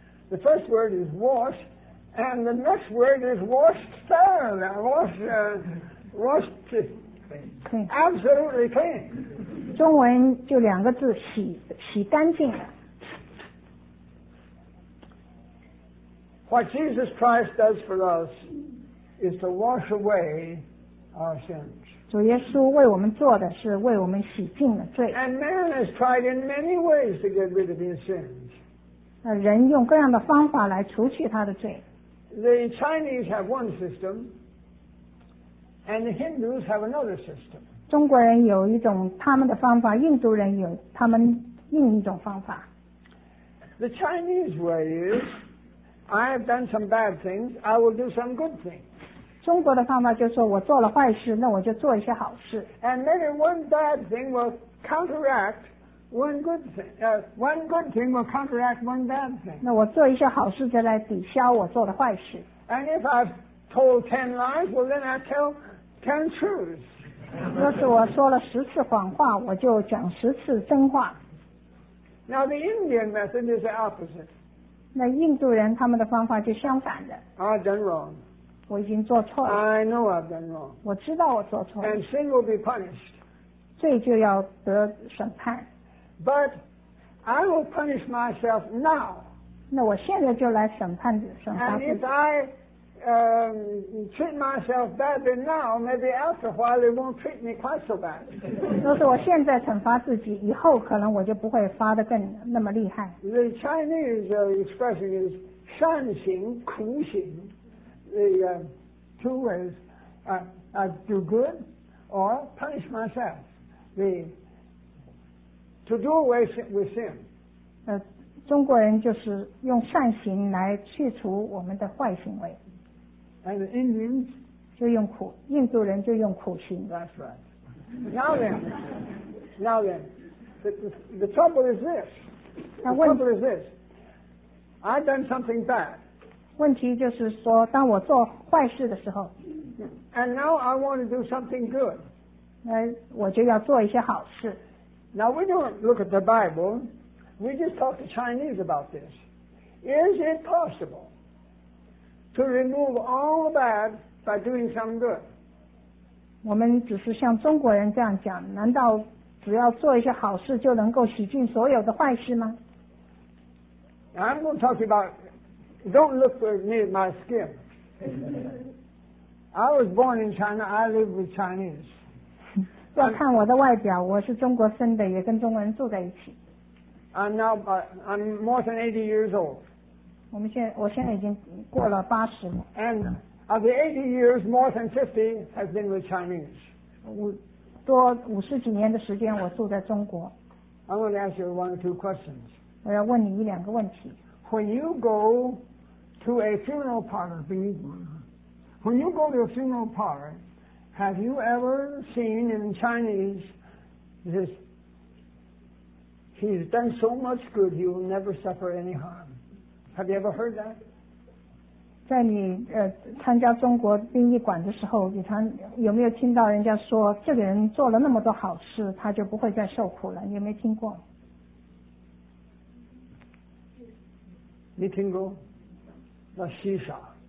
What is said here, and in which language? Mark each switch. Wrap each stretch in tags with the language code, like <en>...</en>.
<en>The first word is wash, and the next word is washed thoroughly. Washed absolutely clean.</en> <zh>中文就两个字，洗干净了。</zh> <en>What Jesus Christ does for us is to wash away our sins.</en> <zh>主耶稣为我们做的是为我们洗净了罪。</zh> <en>And man has tried in many ways to get rid of his sins.</en> <zh>人用各样的方法来除去他的罪。</zh> <en>The Chinese have one system, and the Hindus have another system.</en> <zh>中国人有一种他们的方法，印度人有他们另一种方法。</zh> <en>The Chinese way is, I have done some bad things, I will do some good things.</en> <zh>中国的方法就是说我做了坏事，那我就做一些好事。</zh> <en>And maybe one bad thing will counteract one good thing will counteract one bad thing.</en> <zh>那我做一些好事就来抵消我做的坏事。</zh> <en>And if I've told 10 lies, well then I tell 10 truths.</en> <zh>若是我说了十次谎话，我就讲十次真话。</zh> <en>Now the Indian method is the opposite.</en> <zh>那印度人他们的方法就相反的。</zh> <en>I've done wrong.</en> <zh>我已经做错了。</zh> <en>I know I've done wrong.</en> <zh>我知道我做错了。</zh> <en>And sin will be punished.</en> <zh>罪就要得审判。</zh> <en>But I will punish myself now.</en> <zh>那我现在就来审判自己。</zh> <en>And if I treat myself badly now, maybe after a while it won't treat me quite so bad.</en> <zh>若是我现在惩罚自己，以后可能我就不会发得更那么厉害。</zh> <en>The Chinese expression is</en> <zh>善行苦行</zh> <en>The two ways, do good or punish myself. To do away with sin.</en> <zh>中国人就是用善行来去除我们的坏行为。</zh> <en>And the Indians</en> <zh>就用苦，印度人就用苦行。</zh> <en>That's right. Now then, the trouble is this. The trouble is this. I've done something bad.</en> <zh>问题就是说，当我做坏事的时候。</zh> <en>And now I want to do something good.</en> <zh>那我就要做一些好事。</zh> <en>Now we don't look at the Bible. We just talk to Chinese about this. Is it possible to remove all bad by doing some good?</en> <zh>我们只是像中国人这样讲，难道只要做一些好事就能够洗净所有的坏事吗？</zh> <en>I'm going to talk about, don't look beneath my skin. I was born in China, I live with Chinese.</en> <zh>要看我的外表，我是中国生的，也跟中国人住在一起。</zh> <en>I'm more than 80 years old.</en> <zh>我现在已经过了八十了。</zh> <en>And of the 80 years, more than 50 has been with Chinese.</en> <zh>五十几年的时间我住在中国。</zh> <en>I'm going to ask you one or two questions.</en> <zh>我要问你一两个问题。</zh> <en>When you go to a funeral parlor,Have you ever seen in Chinese this, he's done so much good, he will never suffer any harm. Have you ever heard that?</en> <zh>在你参加中国殡仪馆的时候，你有没有听到人家说，这个人做了那么多好事，他就不会再受苦了，你有没有听过？你听过？那稀少。</zh>